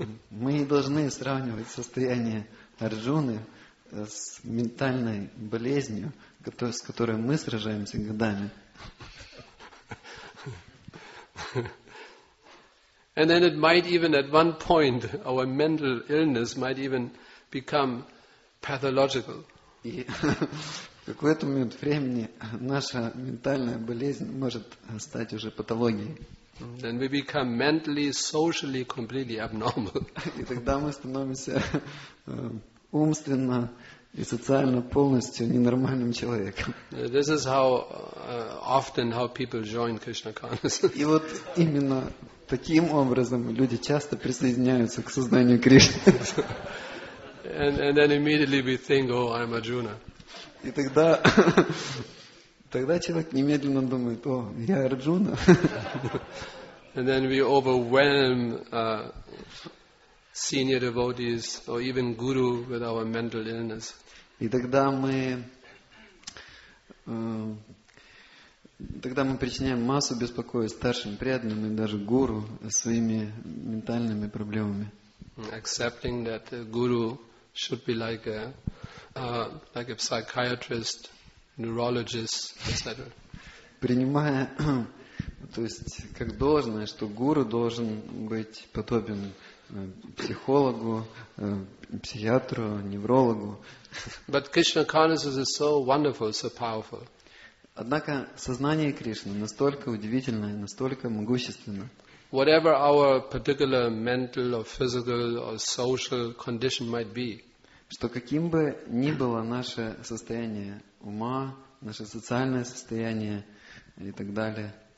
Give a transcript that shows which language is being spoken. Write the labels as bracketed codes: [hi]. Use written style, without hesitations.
[ru] Мы не должны сравнивать состояние Арджуны с ментальной болезнью, с которой мы сражаемся годами. [en] And then it might even at one point our mental illness might even become pathological. [ru] И в какой-то момент времени наша ментальная болезнь может стать уже патологией. [en] Then we become mentally, socially completely abnormal. [ru] И тогда мы становимся умственно и социально полностью ненормальным человеком. [en] This is how often how people join Krishna consciousness. [ru] И вот именно таким образом люди часто присоединяются к сознанию Кришны. [en] And then immediately we think, oh, I'm Arjuna. [ru] И тогда тогда человек немедленно думает, о, я Арджуна. [en] And then we overwhelm senior devotees or even guru with our mental illness. [ru] И тогда мы причиняем массу беспокойств старшим преданным и даже гуру своими ментальными проблемами. [en] Accepting that a guru should be like a psychiatrist, neurologist, etc. [ru] Принимая, то есть как должное, что гуру должен быть подобен психологу, психиатру, неврологу. [en] But Krishna consciousness is so wonderful, so powerful. [ru] Однако сознание Кришны настолько удивительное, настолько могущественно. [en] Whatever our particular mental or physical or social condition might be. [ru] Что каким бы ни было наше состояние ума, наше социальное состояние и так далее.